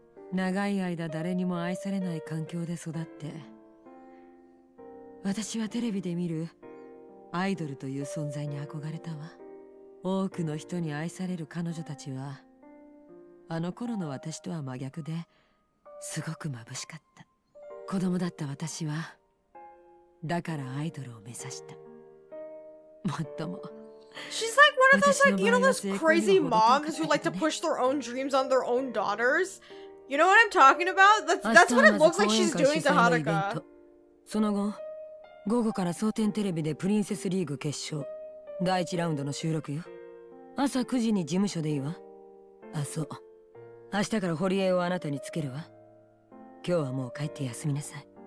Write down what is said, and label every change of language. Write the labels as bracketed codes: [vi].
[ja] 長い間誰にも愛されない環境で育って、私はテレビで見るアイドルという存在に憧れたわ。多くの人に愛される彼女たちは、あの頃の私とは真逆で、すごく眩しかった。子供だった私は、だからアイドルを目指した。 [en] She's like one of those, like, you know, those crazy moms who like to push their own dreams on their own daughters. You know what I'm talking about? That's what it looks like she's doing to Haruka. [ja] その後、午後から総天テレビでプリンセスリーグ決勝第一ラウンドの収録よ。朝9時に事務所でいいわ。あ、そう。明日から堀江をあなたにつけるわ。今日はもう帰って休みなさい。